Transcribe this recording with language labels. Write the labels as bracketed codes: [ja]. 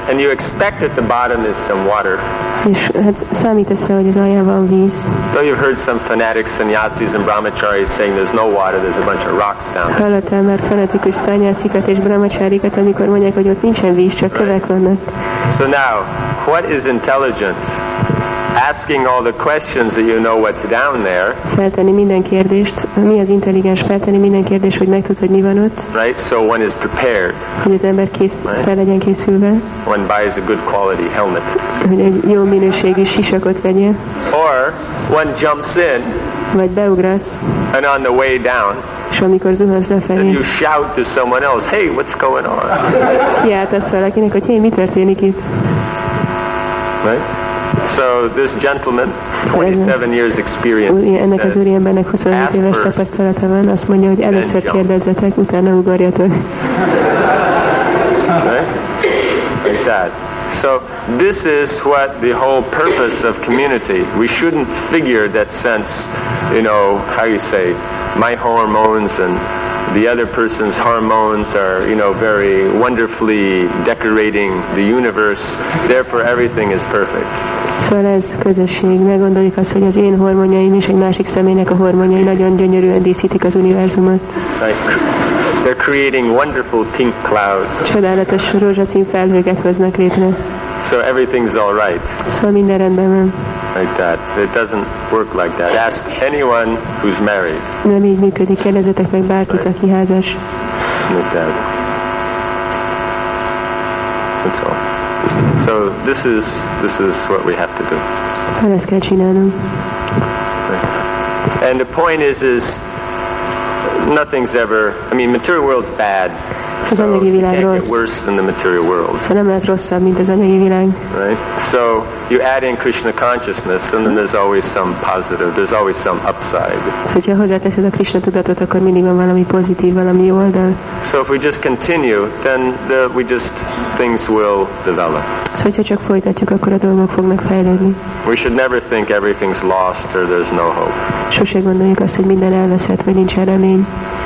[en] And you expect at the bottom is some water. [hu] És hát számítasz rá, hogy az alján van víz. [en] So you've heard some fanatic sannyasis and brahmacharis saying there's no water, there's a bunch of rocks down there. [hu] Hallottál már fanatikus sannyasikat és brahmacharikat, amikor mondják, hogy ott nincsen víz, csak kövek vannak. [en] So now, what is intelligent? Asking all the questions that you know what's down there. [hu] Feltenni minden kérdést. Mi az intelligens? Feltenni minden kérdést, hogy megtud, hogy mi van ott. [en] Right, so one is prepared. [hu] Hogy az ember kész, right? Fel legyen készülve. [en] One buys a good quality helmet. [hu] Hogy egy jó minőségű sisakot vegyél. [en] Or one jumps in. [hu] Vagy beugrasz. [en] And on the way down. [hu] És amikor zuhansz lefelé. [en] You shout to someone else, hey, what's going on? [hu] Kiáltasz valakinek, hogy hey, mi történik itt? [en] Right? So this gentleman, 27 years experience, [hu] az úriembernek 27 éves tapasztalata van, azt mondja, hogy először kérdezzetek, utána ugorjatok. [en] Right? Like that. So this is what the whole purpose of community. We shouldn't figure that sense, you know, how you say, my hormones and the other person's hormones are, you know, very wonderfully decorating the universe. Therefore, everything is perfect. [hu] Szóval ez közösség. Ne gondoljuk azt, hogy az én hormonjaim és egy másik személynek a hormonjai nagyon gyönyörűen díszítik az univerzumot. [en] Like, they're creating wonderful pink clouds. [hu] Csodálatos rózsaszín felhőket hoznak létre. [en] So everything's all right. [hu] Szóval minden rendben van. [en] Like that. It doesn't work like that. Ask anyone who's married. [hu] Nem így működik. Kérdezzetek meg bárkit, right, aki házas. [en] Like that. That's all. So this is what we have to do. [hu] Szóval ezt kell csinálnom. [en] And the point is nothing's ever, I mean, material world's bad. [hu] So az anyagi világ rossz. [en] It can't get worse than the material world. [hu] Szóval nem lehet rosszabb, mint az anyagi világ. [en] Right? So you add in Krishna consciousness and then there's always some positive, there's always some upside. [hu] Szóval, hogyha hozzáteszed a Krishna tudatot, akkor mindig van valami pozitív, valami jó oldal. [en] So if we just continue, then things will develop. [hu] Szóval, hogyha csak folytatjuk, akkor a dolgok fognak fejlődni. [en] We should never think everything's lost or there's no hope. [hu] Sose gondoljuk azt, hogy minden elveszett, vagy nincs remény.